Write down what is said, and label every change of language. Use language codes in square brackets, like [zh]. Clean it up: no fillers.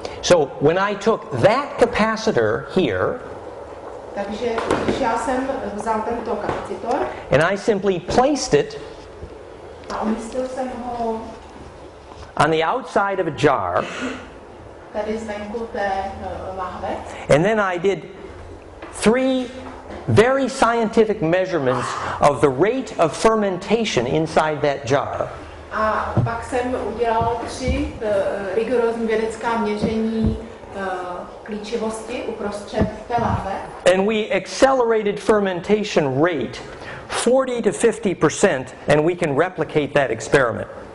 [en] So when I took that capacitor here. [cs] Takže když já jsem vzal tento kapacitor. [en] And I simply placed it. [cs] A umístil jsem ho [en] on the outside of a jar. [cs] Tady zvenku té lahve. [en] And then I did three very scientific measurements of the rate of fermentation inside that jar. [cs] A pak jsem udělal tři rigorózní vědecká měření klíčivosti uprostřed té lahve. [en] And we accelerated fermentation rate 40-50%, and we can replicate that experiment.